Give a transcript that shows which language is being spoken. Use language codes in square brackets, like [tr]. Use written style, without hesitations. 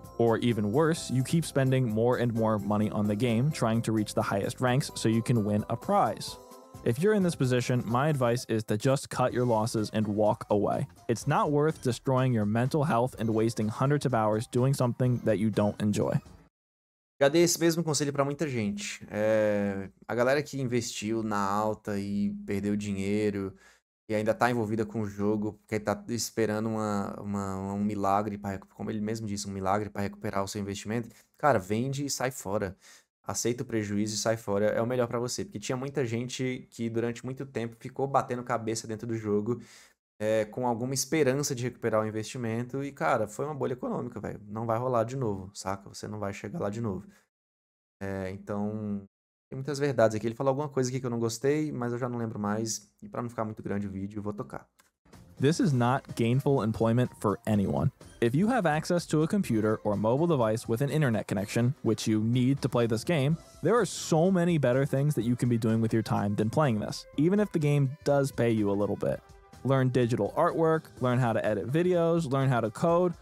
[en] Or even worse, you keep spending more and more money on the game, trying to reach the highest ranks so you can win a prize. If you're in this position, my advice is to just cut your losses and walk away. It's not worth destroying your mental health and wasting hundreds of hours doing something that you don't enjoy. [pt] Já dei esse mesmo conselho pra muita gente. A galera que investiu na alta e perdeu dinheiro e ainda tá envolvida com o jogo, que tá esperando um milagre pra recuperar, como ele mesmo disse, um milagre pra recuperar o seu investimento, cara, vende e sai fora. Aceita o prejuízo e sai fora, é o melhor pra você. Porque tinha muita gente que durante muito tempo ficou batendo cabeça dentro do jogo com alguma esperança de recuperar o investimento. E, cara, foi uma bolha econômica, velho. Não vai rolar de novo, saca? Você não vai chegar lá de novo. Então, tem muitas verdades aqui. Ele falou alguma coisa aqui que eu não gostei, mas eu já não lembro mais. E para não ficar muito grande o vídeo, eu vou tocar. [en] This is not gainful employment for anyone. If you have access to a computer or mobile device with an internet connection, which you need to play this game, there are so many better things that you can be doing with your time than playing this, even if the game does pay you a little bit. Learn digital artwork, learn how to edit videos, learn how to code.